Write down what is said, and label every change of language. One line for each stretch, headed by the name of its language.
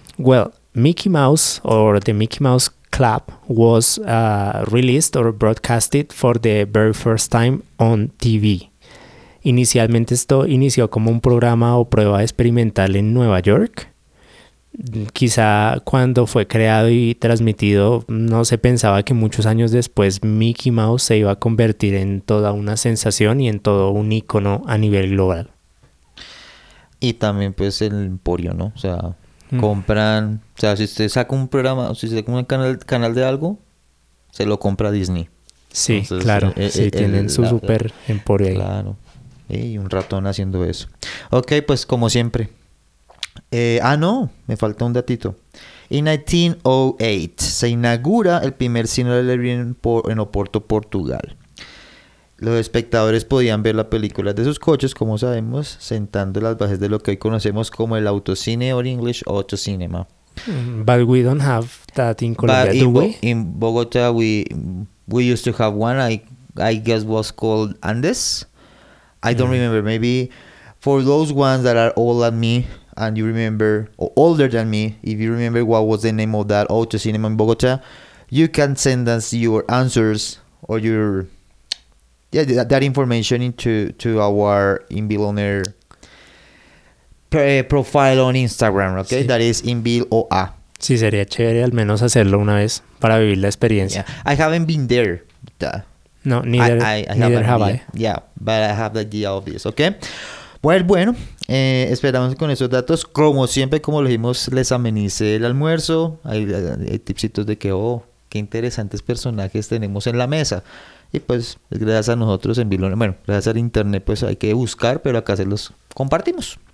English: Well, Mickey Mouse, or the Mickey Mouse Club, was released or broadcasted for the very first time on TV.
Spanish: Inicialmente esto inició como un programa o prueba experimental en Nueva York. Quizá cuando fue creado y transmitido, no se pensaba que muchos años después Mickey Mouse se iba a convertir en toda una sensación y en todo un ícono a nivel global. Y también pues el emporio, ¿no? O sea, compran... O sea, si usted saca un programa, si usted saca un canal de algo, se lo compra Disney. Sí, entonces, claro. Tienen su super emporio ahí. Claro. Y un ratón haciendo eso. Ok, pues como siempre... no, me faltó un datito. En 1908 se inaugura el primer cine de Lebrín en Oporto, Portugal. Los espectadores podían ver las películas de sus coches, como sabemos, sentando las bases de lo que hoy conocemos como el autocine,
English: or English autocinema. But we don't have that in Colombia, but do we? In Bogotá we used to have one. I guess was called Andes. I don't remember. Maybe for those ones that are old like me. And you remember, or older than me, if you remember what was the name of that auto cinema in Bogota, you can send us your answers or your that information into our Inbilonair profile on Instagram, okay? Sí. That is Inbiloa.
Spanish: Sí, sería chévere al menos hacerlo una vez para vivir la experiencia.
English: Yeah. I haven't been there. No, neither. I haven't. Yeah, but I have the idea of this, okay?
Spanish: Bueno, esperamos con esos datos. Como siempre, como lo dijimos, les amenice el almuerzo. Hay tipsitos de que, oh, qué interesantes personajes tenemos en la mesa. Y pues, gracias a nosotros en Bilón. Bueno, gracias al internet, pues hay que buscar, pero acá se los compartimos.